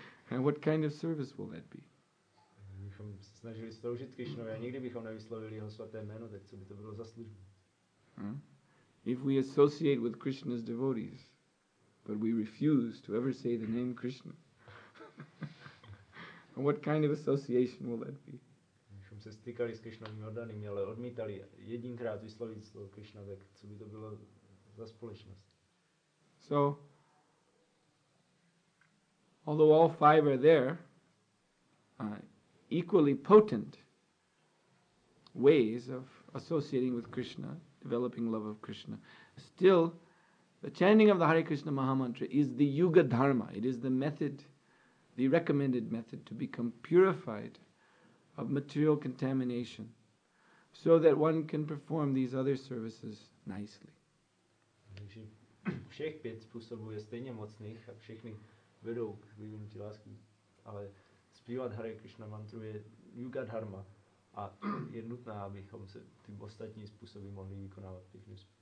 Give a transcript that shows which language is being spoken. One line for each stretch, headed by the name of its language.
English: And what kind of service will that be?
Czech: Bychom se snažili sloužit Krishnovi a nikdy bychom nevyslovili jeho svaté jméno, tak co by to bylo za službu?
English: If we associate with Krishna's devotees, but we refuse to ever say the name Krishna, and what kind of association will that be?
Czech: Bychom se stýkali s Krishnovými oddanými, ale odmítali jedinkrát vyslovit slovo Krishna, tak co by to bylo za společnost?
English: So, although all five are there, equally potent ways of associating with Krishna, developing love of Krishna, still, the chanting of the Hare Krishna Maha Mantra is the Yuga Dharma. It is the method, the recommended method to become purified of material contamination so that one can perform these other services nicely.
Czech: Všech pět způsobů je stejně mocných a všechny vedou k vyvinutí lásky, ale zpívat Hare Krishna mantru je yuga dharma a je nutná, abychom se ty ostatní způsoby mohli vykonávat pěkně.